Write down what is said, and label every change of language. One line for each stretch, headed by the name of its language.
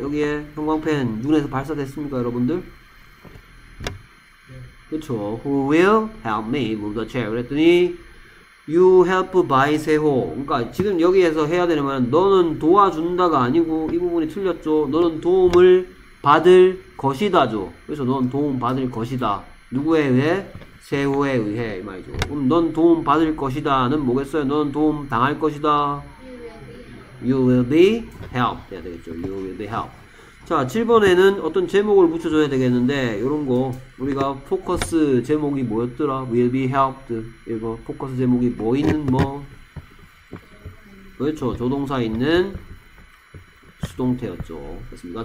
Korean: 여기에 형광펜 눈에서 발사됐습니까, 여러분들? 그쵸?
English: Who will help me move the chair?
Korean: 그랬더니
English: You help by 세호.
Korean: 그러니까 지금 여기에서 해야 되는 말은 너는 도와준다가 아니고 이 부분이 틀렸죠. 너는 도움을 받을 것이다죠. 그래서 넌 도움 받을 것이다. 누구에 의해? 세호에 의해 이 말이죠. 그럼 넌 도움 받을 것이다는 뭐겠어요? 넌 도움 당할 것이다.
English: You will be helped
Korean: 해야 되겠죠.
English: You will be helped.
Korean: 자, 7번에는 어떤 제목을 붙여줘야 되겠는데 이런 거 우리가 포커스 제목이 뭐였더라?
English: Will be helped.
Korean: 이거 포커스 제목이 뭐 있는 뭐? 그렇죠. 조동사 있는 수동태였죠. 그렇습니까?